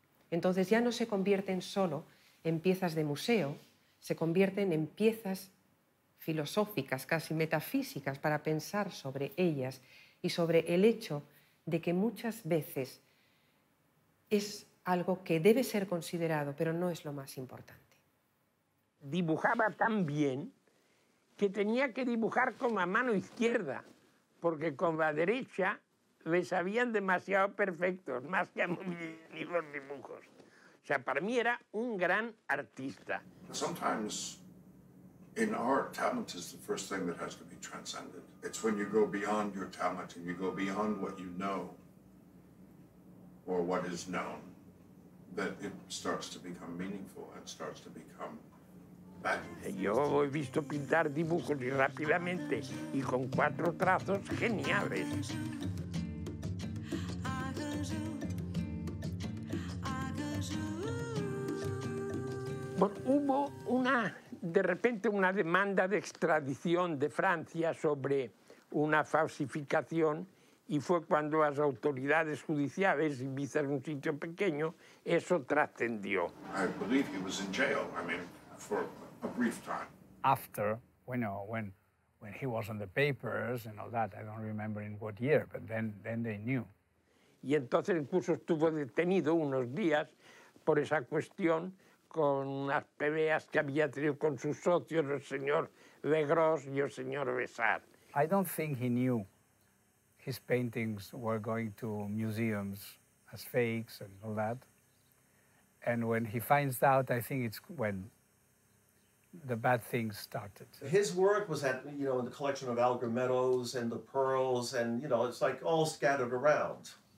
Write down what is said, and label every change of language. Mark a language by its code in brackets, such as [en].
[es] Entonces ya no se convierten solo en piezas de museo, se convierten en piezas filosóficas, casi metafísicas, para pensar sobre ellas y sobre el hecho de que muchas veces es algo que debe ser considerado, pero no es lo más importante. Dibujaba tan bien que tenía que dibujar con la mano izquierda, porque con la derecha le sabían demasiado perfectos, más que a mí los dibujos. O sea, para mí era un gran artista. [en] Sometimes in art, talent is the first thing that has to be transcended. It's when you go beyond your talent and you go beyond what you know or what is known that it starts to become meaningful and starts to become. [es] Yo he visto pintar dibujos y rápidamente y con cuatro trazos geniales. Bueno, hubo de repente una demanda de extradición de Francia sobre una falsificación y fue cuando las autoridades judiciales, Ibiza es un sitio pequeño, eso trascendió. [en] A brief time. After, you know, when he was on the papers and all that, I don't remember in what year, but then they knew. [es] Y entonces incluso estuvo detenido unos días por esa cuestión con las peleas que había tenido con sus socios, el señor Legros y el señor Besat. [en] I don't think he knew his paintings were going to museums as fakes and all that. And when he finds out, I think it's when the bad things started. His work was at, you know, in the collection of Algar Meadows and the Pearls, and, you know, it's like all scattered around.